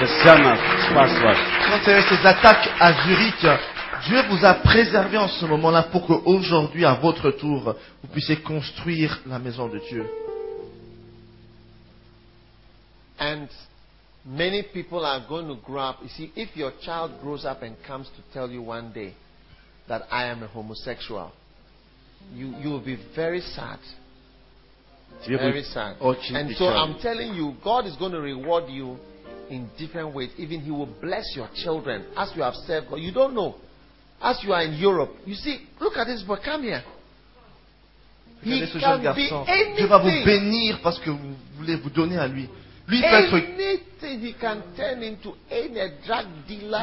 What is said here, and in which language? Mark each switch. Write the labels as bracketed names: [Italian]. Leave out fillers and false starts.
[French] il y a ces attaques à Zurich, Dieu vous a préservé en ce moment-là pour qu'aujourd'hui, à votre tour, vous puissiez construire la maison de Dieu. [English] And many people are going to grow up. You see, if your child grows up and comes to tell you one day that I am a homosexual, you will be very sad. Very sad. And so I'm telling you, God is going to reward you in different ways. Even He will bless your children as you have served God. You don't know. As you are in Europe, you see, look at this boy, come here. He can be anything. [French] Dieu va vous bénir parce que vous voulez vous donner à lui. Lui peut être [English] anything, he can turn into any drug dealer.